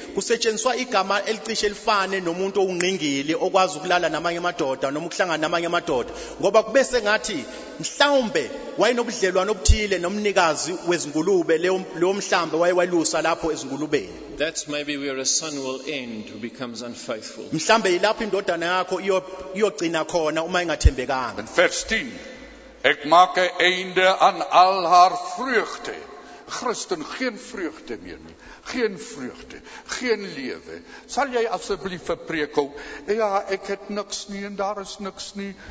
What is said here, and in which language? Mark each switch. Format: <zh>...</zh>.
<zu>Kusetshenziswa igama elicishe elifane nomuntu ongqingili okwazi ukulala namanye amadoda noma ukuhlangana namanye amadoda. Ngoba kube sengathi mhlawumbe wayenobudlelwano obuthile nomnikazi wezingulube leyo mhlambe wayewalusa lapho ezingulubeni.</zu> <en>That's maybe where a son will end who becomes unfaithful.</en> <zu>Mhlambe yilapho indodana yakho iyogcina khona uma ingathembekanga.</zu> <en>Verse 15.</en> <af>Ek maak 'n einde aan al haar vreugde. Christen, geen vreugde meer nie. Geen vreugde, geen lewe. Sal jy asseblief vir preek hou? Ja, ek het niks nie en daar is niks nie.</af>